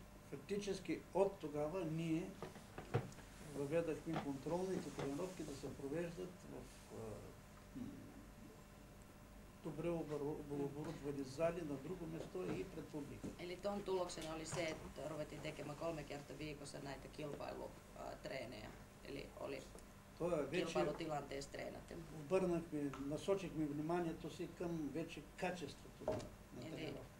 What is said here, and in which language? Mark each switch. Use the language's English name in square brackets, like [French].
[Bulgarian] Фактически от тогава ние въведахме контролните тренировки да се провеждат в добре оборудвани зали на друго место и пред публика. [Finnish] Eli ton tuloksena oli se, että ruvettiin tekemään 3 kertaa viikossa näitä kilpailutreenejä. Eli oli kilpailutilanteessa treenattu. [Bulgarian] Обърнахме, насочихме вниманието си към вече качеството на